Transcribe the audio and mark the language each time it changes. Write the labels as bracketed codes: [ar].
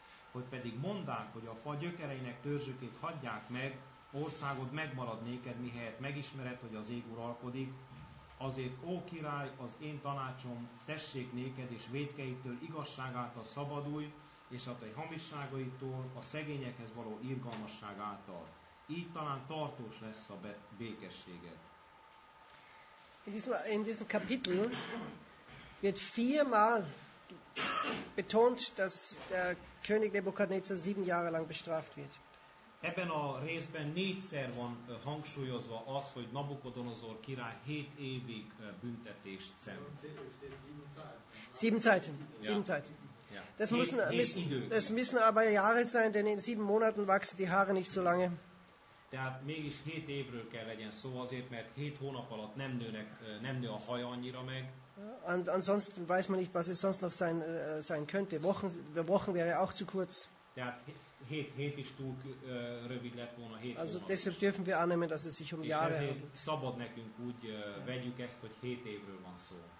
[hu] Hogy pedig mondák, hogy a fa gyökereinek törzsükét hagyják meg, országod megmarad néked, mihelyett megismered, hogy az ég uralkodik. Azért, ó király, az én tanácsom, tessék néked, és vétkeitől igazság által szabadulj, és a te hamisságaitól, a szegényekhez való irgalmasság által. Így talán tartós lesz a békességed. [de] In diesem Kapitel wird viermal betont, dass der König Nebukadnezar 7 Jahre lang bestraft wird. [hu] Ebben a részben 4-szer van hangsúlyozva az, hogy Nabukodonozor király 7 évig büntetést szenved. [de] 7 Zeiten. Das müssen aber Jahre sein, denn in 7 Monaten wachsen die Haare nicht so lange. [hu] Tehát mégis 7 évről kell legyen szó, azért mert 7 hónap alatt nem nő a haja annyira meg. [de] Und ansonsten weiß man nicht, was es sonst noch sein könnte. Wochen wäre auch zu kurz. [hu] Tehát 7 is túl rövid lett volna, 7 hónap. [de] Also deshalb dürfen wir annehmen, dass es sich um Jahre handelt. [hu] Szabad nekünk úgy vegyük ezt, hogy 7 évről van szó.